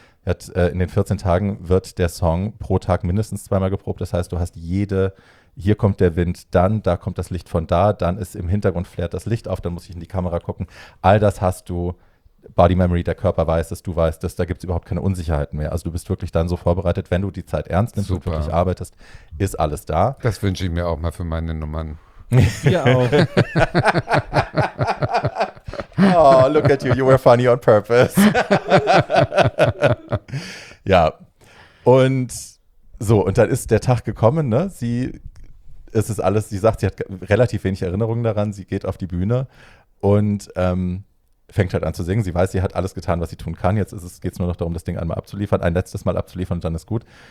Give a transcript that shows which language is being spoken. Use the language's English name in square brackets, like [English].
[German] In den 14 Tagen wird der Song pro Tag mindestens 2-mal geprobt, das heißt, du hast hier kommt der Wind, dann, da kommt das Licht von da, dann ist im Hintergrund flärt das Licht auf, dann muss ich in die Kamera gucken, all das hast du. Body Memory, der Körper weiß, dass du weißt, dass da gibt es überhaupt keine Unsicherheiten mehr. Also du bist wirklich dann so vorbereitet, wenn du die Zeit ernst nimmst und wirklich arbeitest, ist alles da. Das wünsche ich mir auch mal für meine Nummern. Ja auch. [English] Oh, look at you, you were funny on purpose. [German] Ja, und so, und dann ist der Tag gekommen, ne? Sie sagt, sie hat relativ wenig Erinnerungen daran, sie geht auf die Bühne und fängt halt an zu singen. Sie weiß, sie hat alles getan, was sie tun kann. Jetzt geht es nur noch darum, das Ding einmal abzuliefern, ein letztes Mal abzuliefern und dann ist gut.